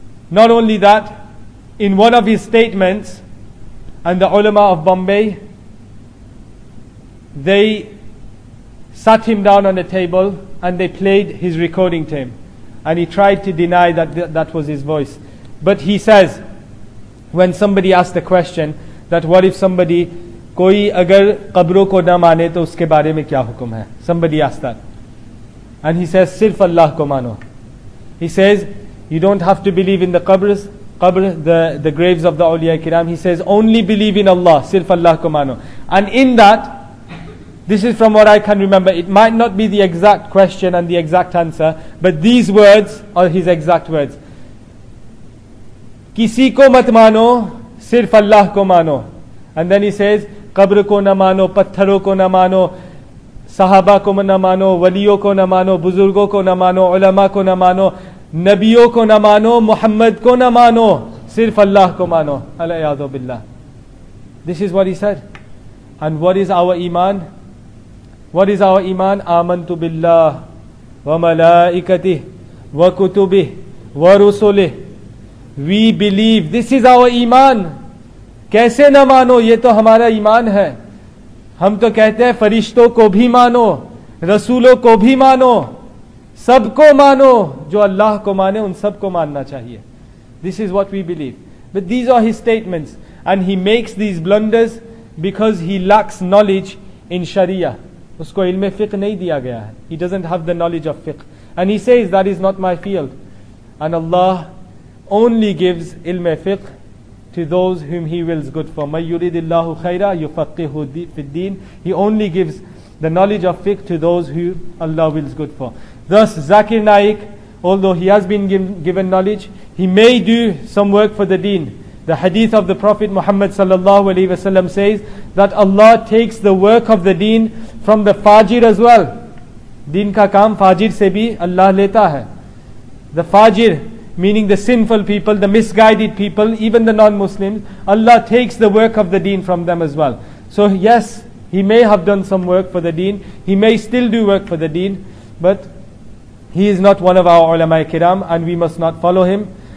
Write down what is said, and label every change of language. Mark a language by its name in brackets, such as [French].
[English] Not only that, in one of his statements, and the ulama of Bombay, they sat him down on a table and they played his recording to him. And he tried to deny that that was his voice. But he says, when somebody asked the question, that what if somebody, [Urdu] کوئی اگر قبروں کو نہ مانے تو اس کے بارے میں کیا حکم ہے? [English] Somebody asked that. And he says, [Urdu] صرف اللہ کو مانو. [English] He says, you don't have to believe in the qabrs, qabr, the graves of the awliya kiram. He says, only believe in Allah, [Urdu] sirf Allah ko mano. [English] And in that, this is from what I can remember, it might not be the exact question and the exact answer, but these words are his exact words. [Urdu] کسی کو مت مانو، صرف اللہ کو مانو۔ [English] And then he says, [Urdu] قبر کو نہ مانو، پتھروں کو نہ مانو، صحابہ کو نہ مانو، ولیوں کو نہ مانو، بزرگوں کو نہ مانو، علماء کو نہ مانو، نبیوں کو نہ مانو، محمد کو نہ مانو، صرف اللہ کو مانو. [Arabic] Alayyadu billah. [English] This is what he said. And what is our iman? What is our iman? [Arabic] Amantu billah wa malaikatih wa kutubih wa rusulih. [English] We believe. This is our iman. [Urdu] کیسے نہ مانو؟ یہ تو ہمارا ایمان ہے۔ ہم تو کہتے ہیں فرشتوں کو بھی مانو، رسولوں کو بھی مانو، سب کو مانو۔ جو اللہ کو مانے ان سب کو ماننا چاہیے۔ [English] This is what we believe. But these are his statements, and he makes these blunders because he lacks knowledge in Sharia. [Urdu] اس کو علمِ فقہ نہیں دیا گیا ہے۔ [English] He doesn't have the knowledge of fiqh. And he says, that is not my field. And Allah only gives ilme fiqh to those whom He wills good for. [Arabic] مَنْ يُرِدِ اللَّهُ خَيْرًا يُفَقِّهُ فِي الدِّينِ. [English] He only gives the knowledge of fiqh to those who Allah wills good for. Thus, Zakir Naik, although he has been given knowledge, he may do some work for the deen. The hadith of the Prophet Muhammad sallallahu alaihi wasallam says that Allah takes the work of the deen from the fajir as well. [Urdu] دین کا کام فاجر سے بھی اللہ لیتا ہے۔ [English] The fajir, meaning the sinful people, the misguided people, even the non-Muslims, Allah takes the work of the deen from them as well. So yes, he may have done some work for the deen, he may still do work for the deen, but he is not one of our ulama-i kiram, and we must not follow him.